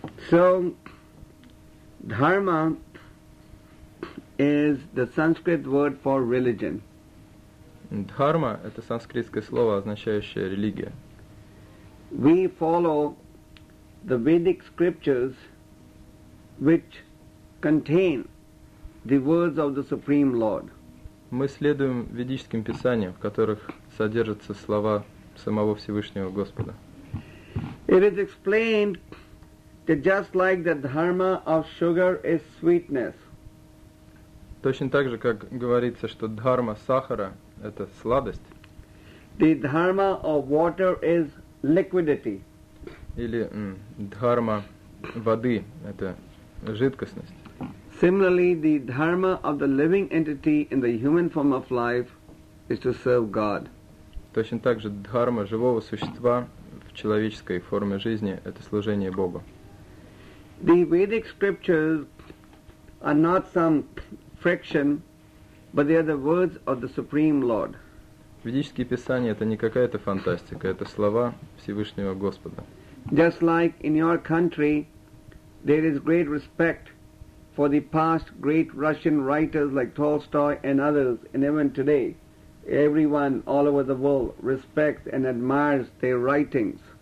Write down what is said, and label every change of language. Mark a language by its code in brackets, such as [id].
[en] So, dharma is the Sanskrit word for religion. [ru] Dharma – это санскритское слово, означающее религия. [en] We follow the Vedic scriptures, which contain the words of the Supreme Lord. [ru] Мы следуем ведическим писаниям, в которых содержатся слова самого Всевышнего Господа. [en] It is explained that just like the dharma of sugar is sweetness. [ru] Точно так же, как говорится, что дхарма сахара – это сладость. [en] The dharma of water is liquidity. [ru] Или дхарма воды – это жидкостность. [en] Similarly, the dharma of the living entity in the human form of life is to serve God. [ru] Точно так же дхарма живого существа в человеческой форме жизни – это служение Богу. [en] The Vedic scriptures are not some friction, but they are the words of the Supreme Lord. [ru] Ведические писания – это не какая-то фантастика, это слова Всевышнего Господа. [en] Just like in your country, there is great respect for the past great Russian writers like Tolstoy and others, and even today, everyone all over the world respects and admires their writings.